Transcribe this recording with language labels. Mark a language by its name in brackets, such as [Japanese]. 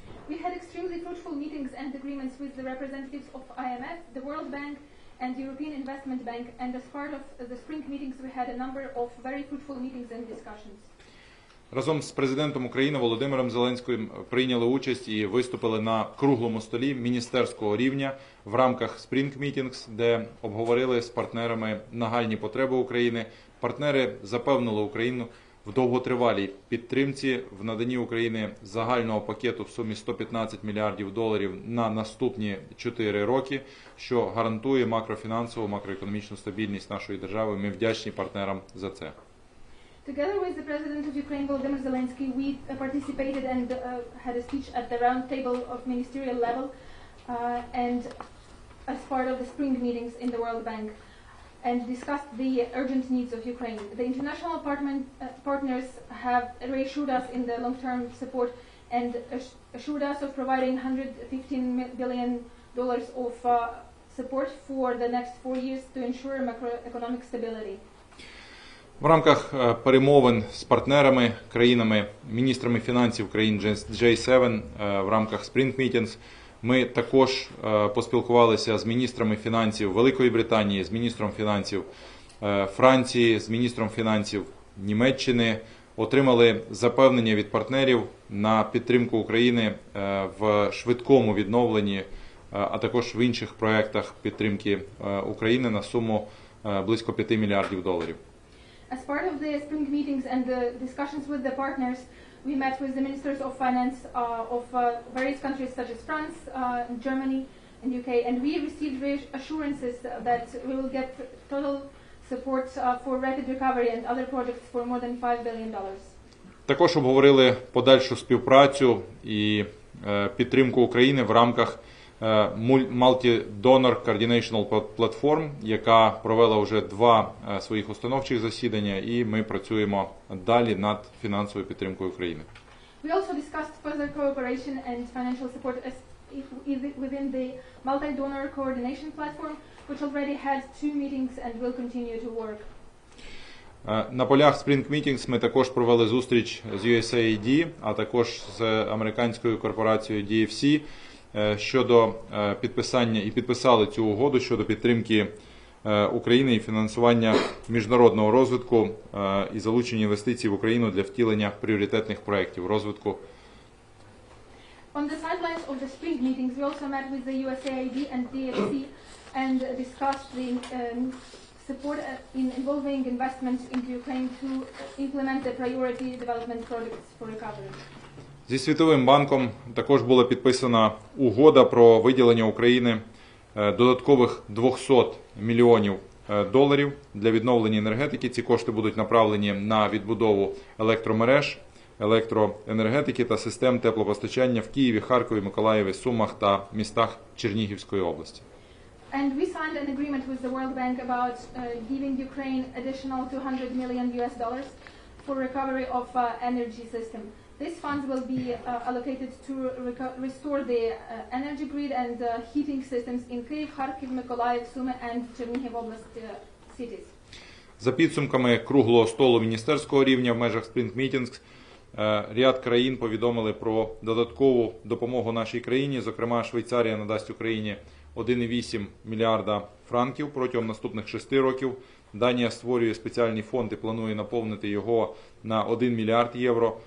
[English] We had extremely fruitful meetings and agreements with the representatives of IMF, the World Bank and European Investment Bank. And as part of the Spring Meetings we had a number of very fruitful meetings and discussions. [Ukrainian] Разом з президентом України Володимиром Зеленським прийняли участь і виступили на круглому столі міністерського рівня в рамках Spring Meetings, де обговорили з партнерами нагальні потреби України. Партнери запевнили Україну в довготривалій підтримці в наданні України загального пакету в сумі 115 мільярдів доларів на наступні 4 роки, що гарантує макрофінансову, макроекономічну стабільність нашої держави. Ми вдячні партнерам за це. [English] Together with the President of Ukraine, Volodymyr Zelensky, we participated and had a speech at the round table of ministerial level and as part of the spring meetings in the World Bank and discussed the urgent needs of Ukraine. The international partners have reassured us in the long-term support and assured us of providing $115 billion of support for the next 4 years to ensure macroeconomic stability. [Ukrainian] В рамках перемовин з партнерами, країнами, міністрами фінансів країн G7 в рамках Spring Meetings ми також поспілкувалися з міністрами фінансів Великої Британії, з міністром фінансів Франції, з міністром фінансів Німеччини, отримали запевнення від партнерів на підтримку України в швидкому відновленні, а також в інших проєктах підтримки України на суму близько 5 мільярдів доларів. [English] As part of the spring meetings and the discussions with the partners, we met with the ministers of finance of various countries such as France, Germany and UK, and we received assurances that we will get total support for rapid recovery and other projects for more than $5 billion. [Ukrainian] Також обговорили подальшу співпрацю і підтримку України в рамках Multi-Donor Coordination Platform, яка провела вже два своїх установчих засідання, і ми працюємо далі над фінансовою підтримкою України. [English] We also discussed further cooperation and financial support within the Multi-Donor Coordination Platform, which already had two meetings and will continue to work. [Ukrainian] На полях Spring Meetings ми також провели зустріч з USAID, а також з американською корпорацією DFC, щодо підписання і підписали цю угоду щодо підтримки України і фінансування міжнародного розвитку і залучення інвестицій в Україну для втілення пріоритетних проєктів розвитку. [English] On the sidelines of the spring meetings, we also met with the USAID and DFC and discussed the support in involving investments into Ukraine to implement the priority development projects for recovery. [Ukrainian] Зі Світовим банком також була підписана угода про виділення України додаткових 200 мільйонів доларів для відновлення енергетики. Ці кошти будуть направлені на відбудову електромереж, електроенергетики та систем теплопостачання в Києві, Харкові, Миколаєві, Сумах та містах Чернігівської області. [English] And we signed an agreement with the World Bank about giving Ukraine additional $200 million for recovery of energy system. These funds will be allocated to restore the energy grid and heating systems in Kyiv, Kharkiv, Mykolaiv, Sumy and Chernihiv Oblast cities. [Ukrainian] За підсумками круглого столу міністерського рівня в межах Spring Meetings ряд країн повідомили про додаткову допомогу нашій країні, зокрема Швейцарія надасть Україні 1,8 мільярда франків протягом наступних 6 років. Данія створює спеціальний фонд і планує наповнити його на 1 мільярд євро.